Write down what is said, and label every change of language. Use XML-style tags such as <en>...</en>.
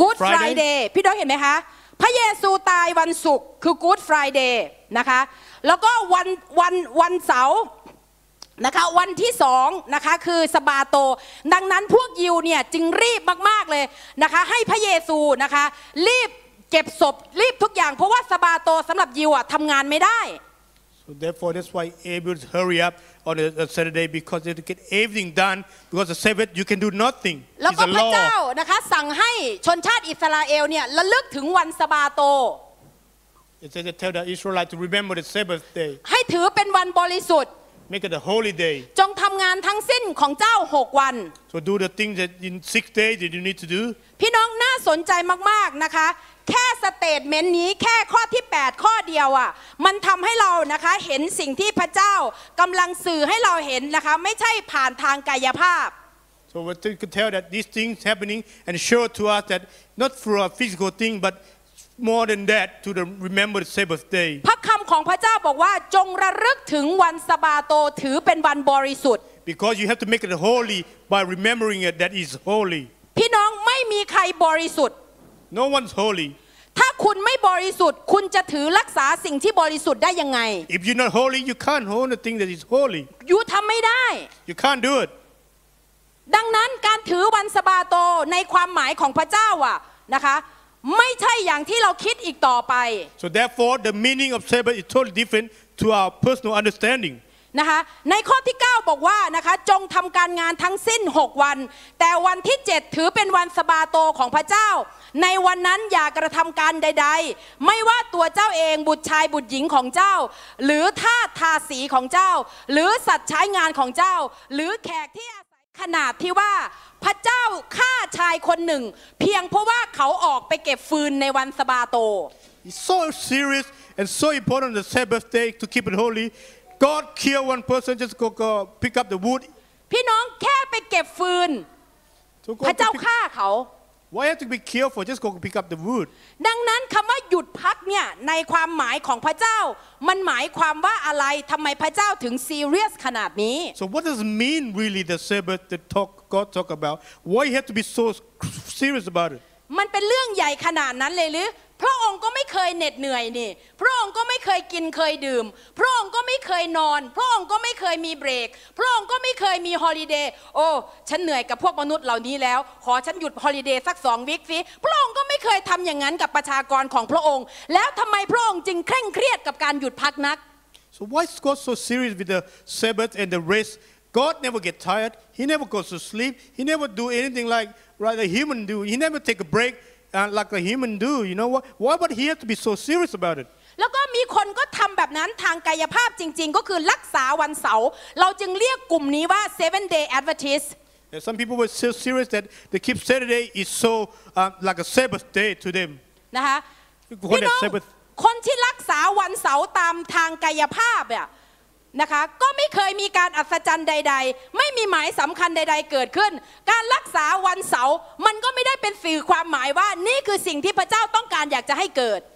<th>Good Friday พี่น้องเห็นไหมคะพระเยซูตายวันศุกร์คือ Good Friday นะคะแล้วก็วันเสาร์นะคะวันที่2นะคะคือซาบาโตดังนั้นพวกยิวเนี่ยจึงรีบมากๆเลยนะคะให้พระเยซูนะคะรีบเก็บศพรีบทุกอย่างเพราะว่าซาบาโตสำหรับยิวอ่ะทำงานไม่ได้</th> <en>So therefore that's why Abel's hurry up on a Saturday because they have to get everything done because the Sabbath you can do nothing</en> <th>แล้วก็พระเจ้านะคะสั่งให้ชนชาติอิสราเอลเนี่ยระลึกถึงวันซาบาโต</th> <en>It says to tell the Israelites to remember the Sabbath day</en> <th>ให้ถือเป็นวันบริสุทธิ์</th> <en>Make it a holy day</en> <th>จงทำงานทั้งสิ้นของเจ้า6วัน</th> <en>So do the things that in 6 days that you need to do</en> <th>พี่น้องน่าสนใจมากๆนะคะแค่สเตทเมนต์นี้แค่ข้อที่8ข้อเดียวอ่ะมันทำให้เรานะคะเห็นสิ่งที่พระเจ้ากำลังสื่อให้เราเห็นนะคะไม่ใช่ผ่านทางกายภาพ</th> <en>So we can tell that these things happening and show to us that not for a physical thing but more than that to the remember the Sabbath day</en> <th>พระคำของพระเจ้าบอกว่าจงระลึกถึงวันซาบาโตถือเป็นวันบริสุทธิ์</th> <en>Because you have to make it holy by remembering it that is holy</en> <th>พี่น้องไม่มีใครบริสุทธิ์</th> <en>No one's holy</en> <th>ถ้าคุณไม่บริสุทธิ์คุณจะถือรักษาสิ่งที่บริสุทธิ์ได้ยังไง</th> <en>If you're not holy you can't hold the thing that is holy You</en> <th>ทำไม่ได้</th> <en>You can't do it</en> <th>ดังนั้นการถือวันซาบาโตในความหมายของพระเจ้าอ่ะนะคะไม่ใช่อย่างที่เราคิดอีกต่อไป</th> <en>So therefore the meaning of Sabbath is totally different to our personal understanding</en> <th>นะคะในข้อที่9บอกว่านะคะจงทำการงานทั้งสิ้น6วันแต่วันที่7ถือเป็นวันซาบาโตของพระเจ้าในวันนั้นอย่ากระทำการใดๆไม่ว่าตัวเจ้าเองบุตรชายบุตรหญิงของเจ้าหรือทาสทาสีของเจ้าหรือสัตว์ใช้งานของเจ้าหรือแขกที่อาศัยขนาดที่ว่าพระเจ้าฆ่าชายคนหนึ่งเพียงเพราะว่าเขาออกไปเก็บฟืนในวันซาบาโต</th> <en>It's so serious and so important the Sabbath day to keep it holyGod kill one person just go pick up the wood.</en> <th>พี่น้องแค่ไปเก็บฟืนพระเจ้าฆ่าเขา</th> <en>Why have to be killed for just go pick up the wood?</en> <th>ดังนั้นคำว่าหยุดพักเนี่ยในความหมายของพระเจ้ามันหมายความว่าอะไรทำไมพระเจ้าถึงซีเรียสขนาดนี้</th> <en>So what does it mean really the Sabbath that talk God talk about? Why you have to be so serious about it?</en> <th>มันเป็นเรื่องใหญ่ขนาดนั้นเลยหรือพระองค์ก็ไม่เคยเหน็ดเหนื่อยนี่พระองค์ก็ไม่เคยกินเคยดื่มพระองค์ก็ไม่เคยนอนพระองค์ก็ไม่เคยมีเบรกพระองค์ก็ไม่เคยมีฮอลิเดย์โอ้ฉันเหนื่อยกับพวกมนุษย์เหล่านี้แล้วขอฉันหยุดฮอลิเดย์สัก2วีคสิพระองค์ก็ไม่เคยทำอย่างนั้นกับประชากรของพระองค์แล้วทำไมพระองค์จึงเคร่งเครียดกับการหยุดพักนัก</th> <en>So why is God so serious with the Sabbath and the rest God never get tired He never goes to sleep He never do anything like a human do He never take a breaklike a human do you know what why would he have to be so serious about it</en> <th>แล้วก็มีคนก็ทำแบบนั้นทางกายภาพจริงๆก็คือรักษาวันเสาร์เราจึงเรียกกลุ่มนี้ว่า Seven Day Adventist</th> <en>some people were so serious that they keep Saturday is so like a Sabbath day to them</en> <th>นะคะพี่น้องคนที่รักษาวันเสาร์ตามทางกายภาพอ่ะ นะคะก็ไม่เคยมีการอัศจรรย์ใดๆไม่มีหมายสำคัญใดๆเกิดขึ้นการรักษาวันเสาร์มันก็ไม่ได้เป็นสื่อความหมายว่านี่คือสิ่งที่พระเจ้าต้องการอยากจะให้เกิด</th>